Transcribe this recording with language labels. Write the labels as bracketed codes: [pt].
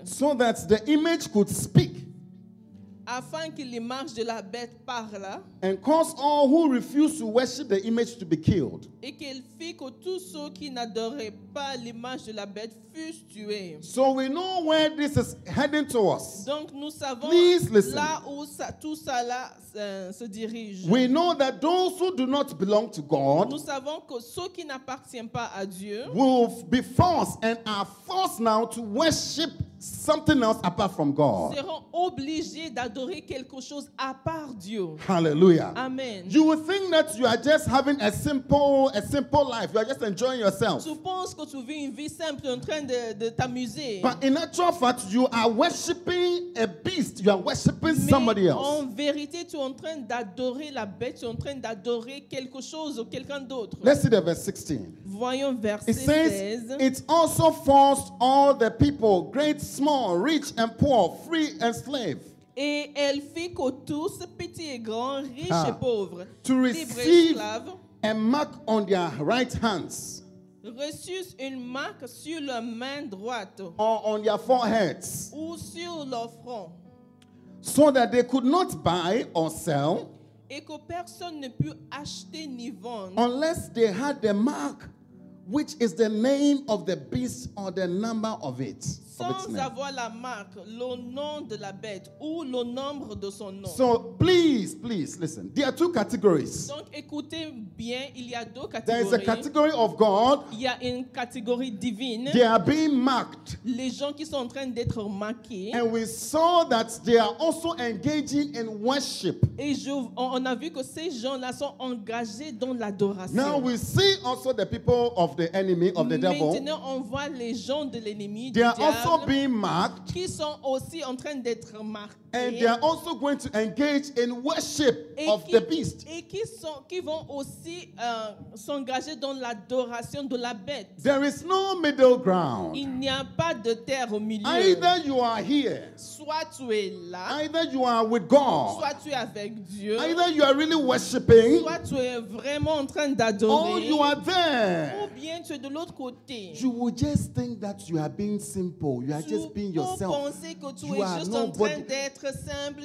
[en] So that the image could speak. [fr] Afin que l'image de la bête parle. [en] And cause all who refuse to worship the image to be killed. [fr] Et qu'il fit que tous ceux qui n'adoraient pas l'image de la bête fussent tués. [en] So we know where this is heading to us. [fr] Donc nous savons. [en] Please listen. [fr] Là où ça, tout ça là se dirige. [en] We know that those who do not belong to God. [fr] Nous savons que ceux qui n'appartiennent pas à Dieu. [en] Will be forced and are forced now to worship something else apart from God. [fr] Seront obligés d'adorer quelque chose à part Dieu. [en] Hallelujah. [fr] Amen. [en] You will think that you are just having a simple life. You are just enjoying yourself. [fr] Tu penses que tu vis une vie simple en train de t'amuser. [en] But in actual fact, you are worshiping a beast. You are worshiping somebody else. [fr] En vérité, tu es en train d'adorer la bête. Tu es en train d'adorer quelque chose ou quelqu'un d'autre. [en] Let's see the verse 16. [fr] Voyons verset 16. [en] It says, it also forced all the people, great, small, rich and poor, free and slave. [fr] Et elle fit que tous, petits et grands, riches et pauvres, [en] to receive a mark on their right hands. [fr] Reçus une marque sur leur main droite. [en] Or on their foreheads. [fr] Ou sur leur front. [en] So that they could not buy or sell. [fr] Et que personne ne put acheter ni vendre. [en] Unless they had the mark, which is the name of the beast or the number of it. [fr] Sans avoir la marque, le nom de la bête ou le nombre de son nom. [en] So please listen. There are two categories. [fr] Donc écoutez bien, il y a deux catégories. [en] There is a category of God. [fr] Il y a une catégorie divine. [en] They are being marked. [fr] Les gens qui sont en train d'être marqués. [en] And we saw that they are also engaging in worship. [fr] Et on a vu que ces gens-là sont engagés dans l'adoration. [en] Now we see also the people of the enemy of the [fr] maintenant, [en] devil. [fr] Maintenant on voit les gens de l'ennemi. [en] They are also being marked, [fr] qui sont aussi en train d'être marqués, [en] and they are also going to engage in worship of [fr] qui, [en] the beast. [fr] Et qui vont aussi s'engager dans l'adoration de la bête. [en] There is no middle ground. [fr] Il n'y a pas de terre au milieu. [en] Either you are here, [fr] soit tu es là. [en] Either you are with God, [fr] soit tu es avec Dieu. [en] Either you are really worshiping, [fr] soit tu es vraiment en train d'adorer. [en] Or you are there. [fr] Ou bien tu es de l'autre côté. [en] You will just think that you are being simple. You are just being yourself. [fr] Tu penses que tu es juste en train d'être simple.